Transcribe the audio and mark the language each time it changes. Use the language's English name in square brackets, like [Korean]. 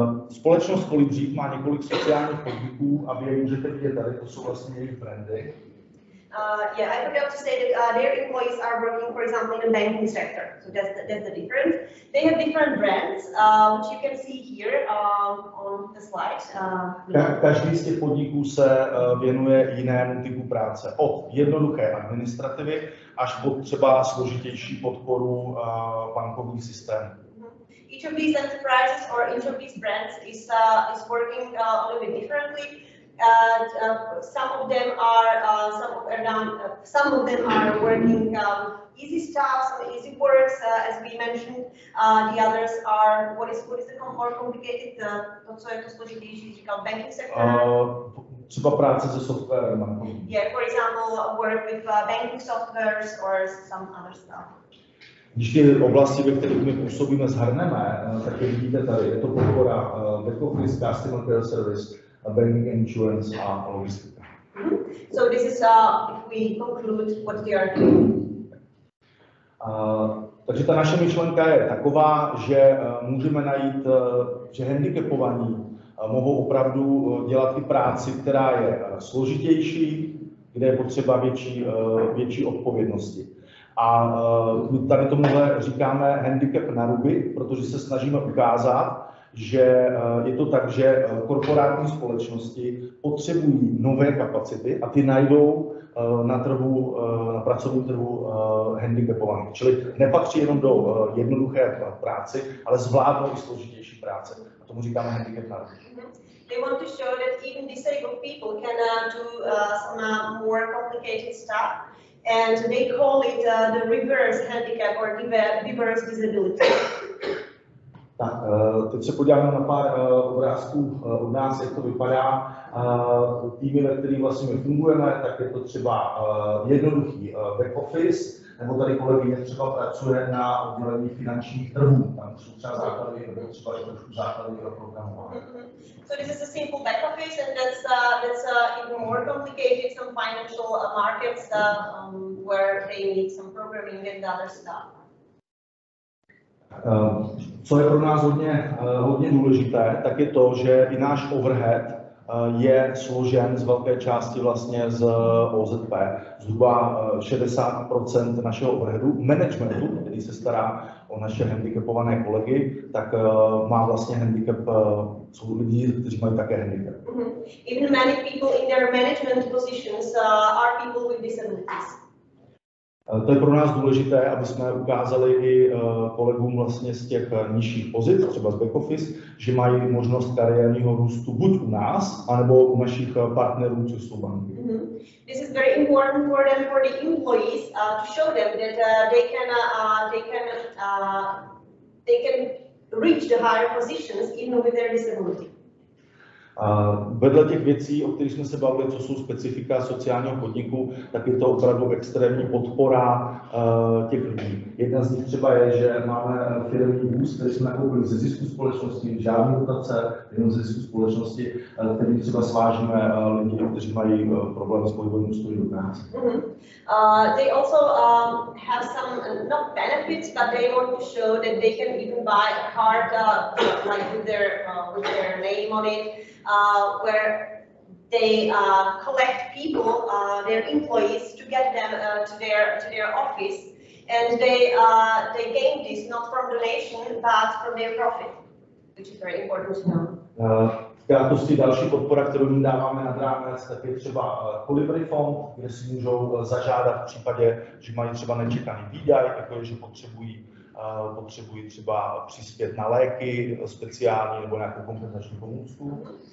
[Czech] Společnost Kolibřík má několik sociálních podniků a vy je můžete vidět tady, to jsou vlastně jejich brandy. [English] I would have to say that their employees are working, for example, in the banking sector. So that's the difference. They have different brands, which you can see here on the slide. [Czech] Každý z těch podniků se věnuje jinému typu práce. Od jednoduché administrativy až po třeba složitější podporu bankovních systémů. [English] Each of these enterprises or each of these brands is working a little bit differently. Some of them are working easy stuff, some easy works, as we mentioned. The others are what is more complicated. [Czech] To co je to složitější, říkal [English] banking sector. [Czech] Třeba práce se softwarem. [English] Yeah, for example, work with banking softwares or some other stuff. [Czech] Když ty oblasti, ve kterých my působíme, zhrneme, tak je vidíte tady, je to podpora back-office, customer service. [English] Banking insurance are logistics. So this is if we conclude what they are doing. [Czech] Takže ta naše myšlenka je taková, že můžeme najít, že handicapovaní mohou opravdu dělat i práci, která je složitější, kde je potřeba větší odpovědnosti. A my tady tomuhle říkáme handicap na ruby, protože se snažíme ukázat, že je to tak, že korporátní společnosti potřebují nové kapacity a ty najdou na trhu, na pracovním trhu handicapovaných. Čili nepatří jenom do jednoduché práce, ale zvládnou i složitější práce. A tomu říkáme handicap na ruby. [English] They want to show that even disabled people can do some more complicated stuff, and they call it the reverse handicap or reverse disability. [Czech] Tak, teď se podíváme na pár obrázků od nás, jak to vypadá. Týmy, ve kterých vlastně fungujeme, tak je to třeba jednoduchý back office, nebo tady kolegyně třeba pracuje na oddělení finančních trhů. Tam jsou třeba základy, nebo třeba je trošku základy pro programování. [English] So this is a simple back office, and that's even more complicated, some financial markets where they need some programming and other stuff. [Czech] Co je pro nás hodně důležité, tak je to, že i náš overhead je složen z velké části vlastně z OZP. Zhruba 60% našeho overheadu, managementu, který se stará o naše handicapované kolegy, tak má vlastně handicap, jsou lidi, kteří mají také handicap. [English] Even many people in their management positions are people with disabilities. [Czech] To je pro nás důležité, aby jsme ukázali i kolegům vlastně z těch nižších pozic, třeba z back office, že mají možnost kariérního růstu buď u nás, anebo u našich partnerů, co jsou banky. Mm-hmm. [English] This is very important for them, for the employees, to show them that they can reach the higher positions even with their disability. [Czech] Vedle těch věcí, o kterých jsme se bavili, co jsou specifika sociálního podniku, tak je to opravdu extrémní podpora těch lidí. Jedna z nich třeba je, že máme firmní vůz, který jsme nakoupili ze zisku společnosti, žádný dotace, jenom ze zisku společnosti, který třeba svážíme lidi, kteří mají problémy s pohybovým ústrojem do nás. Mm-hmm. [English] They also have some, not benefits, but they want to show that they can even buy a card like with their name on it. Where they collect people, their employees, to get them to their office, and they gain this not from donation but from their profit, which is very important to know. [Czech] Krátosti další podpora, kterou jim dáváme nad rámec, tak je třeba Kolibří fond, kde si můžou zažádat v případě, že mají třeba nečekaný výdaj, jako je, že potřebují třeba přispět na léky speciální nebo nějakou kompenzační pomůcku.